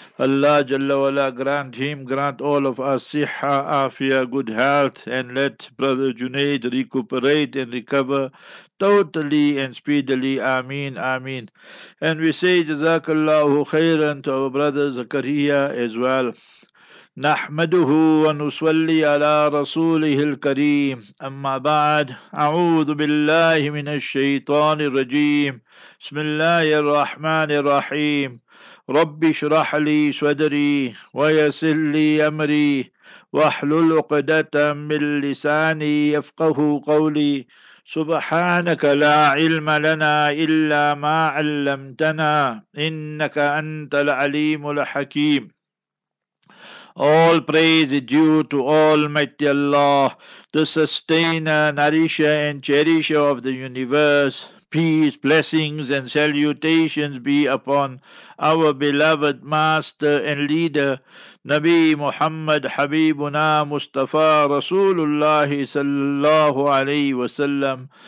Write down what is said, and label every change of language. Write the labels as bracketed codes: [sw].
[en] Allah Jalla wala grant him, grant all of us siha, afia, good health, and let brother Junaid recuperate and recover totally and speedily. Ameen, ameen. And we say Jazakallahu khairan to our brother Zakariya as well. [ar] نحمده ونصلي على رسوله الكريم أما بعد أعوذ بالله من الشيطان الرجيم بسم الله الرحمن الرحيم رب اشرح لي صدري ويسر لي أمري واحلل عقدة من لساني يفقه قولي سبحانك لا علم لنا إلا ما علمتنا إنك أنت العليم الحكيم. [en] All praise is due to Almighty Allah, the sustainer, nourisher, and cherisher of the universe. Peace, blessings, and salutations be upon our beloved master and leader, Nabi Muhammad Habibuna Mustafa Rasulullah sallallahu alayhi wa sallam.